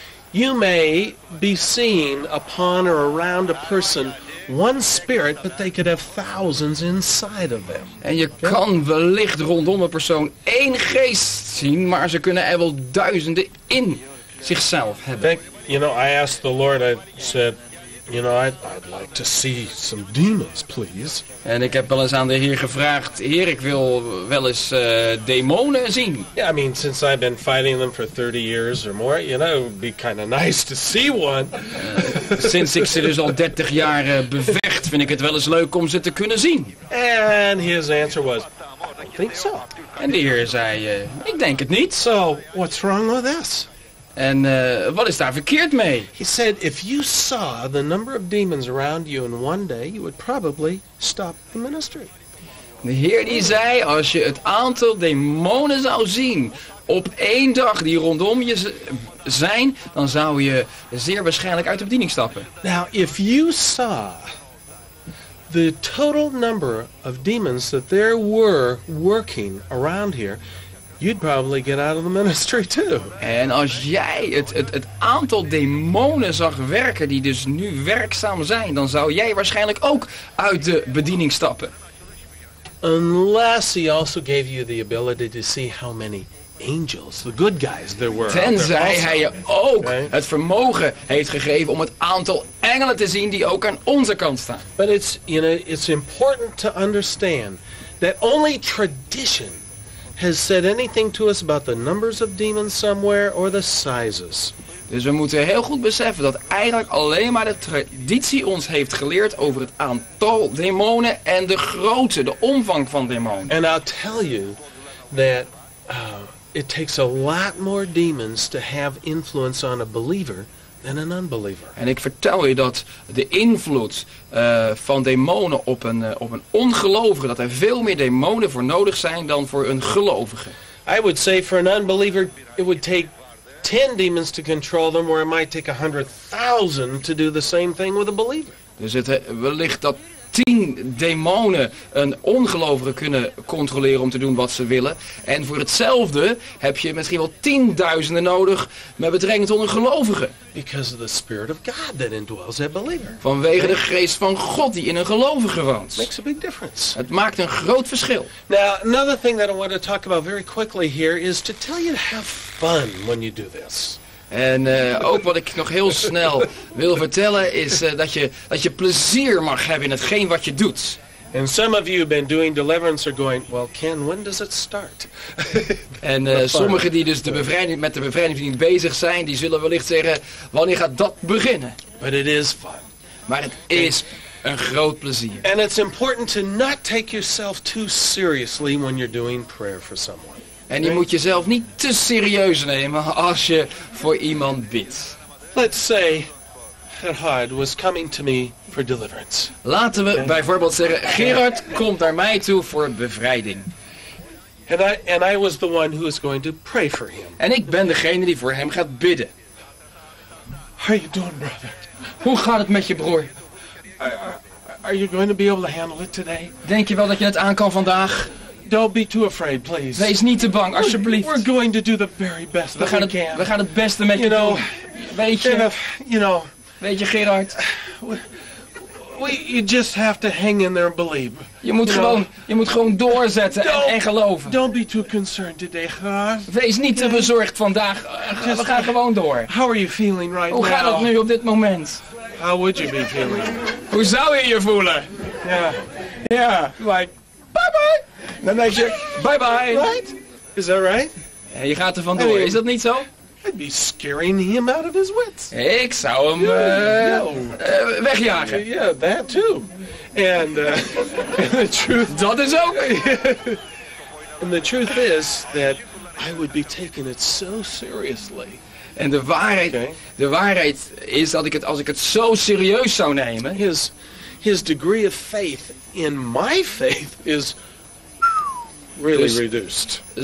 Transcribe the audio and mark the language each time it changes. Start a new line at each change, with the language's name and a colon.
English: You may be seeing upon or around a person one spirit, but they could have thousands inside of them.
Dutch: En je kan wellicht rondom een persoon één geest zien, maar ze kunnen er wel duizenden in zichzelf hebben.
English: You know, I asked the Lord, I said, you know, I'd like to see some demons, please.
Dutch: En ik heb wel eens aan de Heer gevraagd, Heer, ik wil wel eens demonen zien.
English: Yeah, I mean, since I've been fighting them for 30 years or more, you know, it would be kind of nice to see one.
Dutch: Sinds ik ze dus al 30 jaar bevecht, vind ik het wel eens leuk om ze te kunnen zien.
English: And his answer was, I think so.
Dutch: En de Heer zei, ik denk het niet.
English: So, what's wrong with this?
Dutch: En wat is daar verkeerd mee?
English: He said, if you saw the number of demons around you in one day, you would probably stop the ministry.
Dutch: De Heer die zei, als je het aantal demonen zou zien op één dag die rondom je zijn, dan zou je zeer waarschijnlijk uit de bediening stappen.
English: Now, if you saw the total number of demons that there were working around here, you'd probably get out of the ministry too.
Dutch: En als jij het aantal demonen zag werken die dus nu werkzaam zijn, dan zou jij waarschijnlijk ook uit de bediening stappen.
English: Unless he also gave you the ability to see how many angels, the good guys there were.
Dutch: Tenzij hij je ook het vermogen heeft gegeven om het aantal engelen te zien die ook aan onze kant staan.
English: But it's, you know, it's important to understand that only tradition has said anything to us about the numbers of demons somewhere or the sizes.
Dutch: Dus we moeten heel goed beseffen dat eigenlijk alleen maar de traditie ons heeft geleerd over het aantal demonen en de grootte, de omvang van demonen.
English: And I'll tell you that it takes a lot more demons to have influence on a believer than an unbeliever.
Dutch: En ik vertel je dat de invloed van demonen op een ongelovige, dat er veel meer demonen voor nodig zijn dan voor een gelovige.
English: I would say for an unbeliever it would take 10 demons to control them, where it might take 100,000 to do the same thing with a believer.
Dutch: Dus het wellicht dat 10 demonen een ongelovige kunnen controleren om te doen wat ze willen. En voor hetzelfde heb je misschien wel 10.000 nodig met betrekking tot een gelovige.
English: Because of the spirit of God that indwells a believer.
Dutch: Vanwege de geest van God die in een gelovige woont.
English: Makes a big difference.
Dutch: Het maakt een groot verschil.
English: Now, another thing that I want to talk about very quickly here is to tell you to have fun when you do this.
Dutch: En ook wat ik nog heel snel wil vertellen is dat je plezier mag hebben in hetgeen wat je doet.
English: And some of you have been doing deliverance are going, well, Ken, when does it start?
Dutch: En sommigen die dus met de bevrijding bezig zijn, die zullen wellicht zeggen, wanneer gaat dat beginnen?
English: But it is fun.
Dutch: Maar het is een groot plezier.
English: And it's important to not take yourself too seriously when you're doing prayer for someone.
Dutch: En je moet jezelf niet te serieus nemen als je voor iemand bidt.
English: Let's say Gerhard was coming to me for deliverance.
Dutch: Laten we bijvoorbeeld zeggen, Gerard komt naar mij toe voor bevrijding.
English: And I was the one who was going to pray for him.
Dutch: En ik ben degene die voor hem gaat bidden.
English: How you doing, brother?
Dutch: Hoe gaat het met je broer?
English: Are you going to be able to handle it today?
Dutch: Denk je wel dat je het aan kan vandaag?
English: Don't be too afraid, please.
Dutch: Wees niet te bang, alsjeblieft.
English: We're going to do the very best that we can.
Dutch: We gaan het beste met je doen. Weet je, Gerard?
English: You just have to hang in there and believe.
Dutch: Je moet gewoon doorzetten en geloven.
English: Don't be too concerned today, Gerard.
Dutch: Wees niet te bezorgd vandaag. We gaan gewoon door.
English: How are you feeling right now?
Dutch: Hoe gaat het nu op dit moment?
English: How would you be feeling?
Dutch: Hoe zou je je voelen?
English: Yeah. Like, bye bye.
Dutch: Dan denk je,
English: bye bye. Right? Is that right?
Dutch: Ja, je gaat er vandoor, is dat niet zo?
English: I'd be scaring him out of his wits.
Dutch: Ik zou hem wegjagen.
English: Yeah, that too. And the truth.
Dutch: Dat is ook.
English: And the truth is that I would be taking it so seriously.
Dutch: En de waarheid is dat ik het, als ik het zo serieus zou nemen,
English: his degree of faith in my faith is really reduced.